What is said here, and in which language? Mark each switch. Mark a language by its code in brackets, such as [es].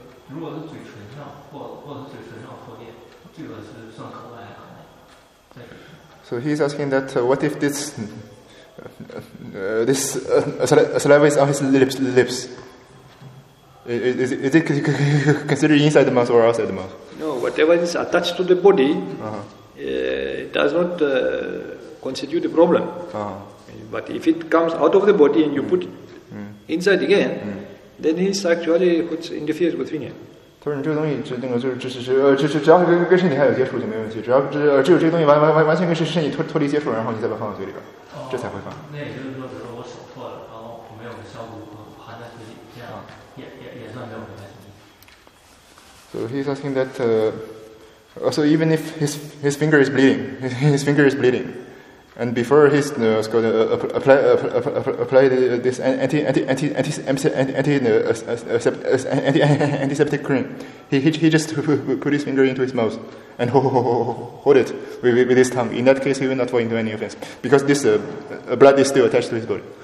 [zh] 如果是嘴唇上或者嘴唇上破裂，这个是算口外行内。 [en] So he's asking that what if this this saliva is on his lips? Is it considered inside the mouth or outside the mouth? No, whatever is attached to the body, it does not constitute a problem. But if it comes out of the body and you put it inside again, then it's actually what interferes with vinaya. [zh] 他说你这个东西，这那个只要跟身体还有接触就没问题，只要这个东西完全跟身体脱离接触，然后你再把它放到嘴里边，这才会放。那也就是说，比如说我手破了，然后我没有消毒和好。含在嘴里，这样也算没有危害性。 [en] So he's asking that, so even if his finger is bleeding, his finger is bleeding, and before he's going to apply this antiseptic cream, he just put his finger into his mouth and hold it with his tongue. In that case, he will not fall into any offense because this blood is still attached to his body.